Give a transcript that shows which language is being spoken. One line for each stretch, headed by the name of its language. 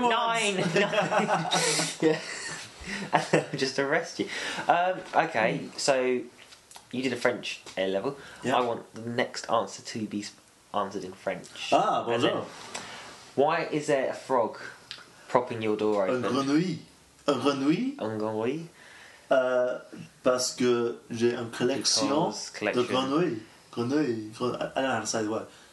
English: warheads. Nine. Yeah. Just arrest you. Okay. So you did a French A level. Yeah. I want the next answer to be answered in French.
French: Ah, bonjour.
English: Then, why is there a frog propping your door open?
French: Un grenouille. Un grenouille. Parce que j'ai une collection. De grenouille.
English: I don't know how to say the word.